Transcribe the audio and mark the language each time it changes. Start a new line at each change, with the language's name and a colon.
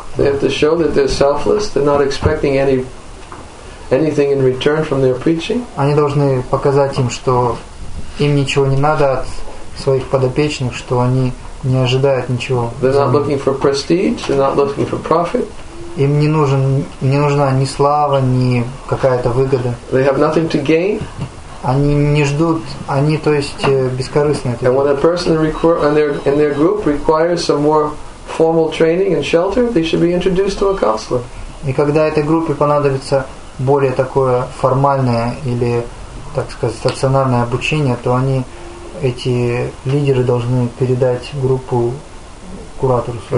English: They have to show that they're selfless, they're not expecting anything in return from their preaching.
Russian: Они должны показать им, что им ничего не надо от своих подопечных, что они не ожидает ничего.
English: They're not looking for prestige, they're not looking for profit.
Russian: Им не нужна ни слава, ни какая-то выгода.
English: They have nothing to gain.
Russian: Они не ждут, они, то есть, бескорыстные.
English: And when a person in their group requires some more formal training and shelter, they should be introduced to a counselor.
Russian: И когда этой группе понадобится более такое формальное или, так сказать, стационарное обучение, то они эти лидеры должны передать группу куратору.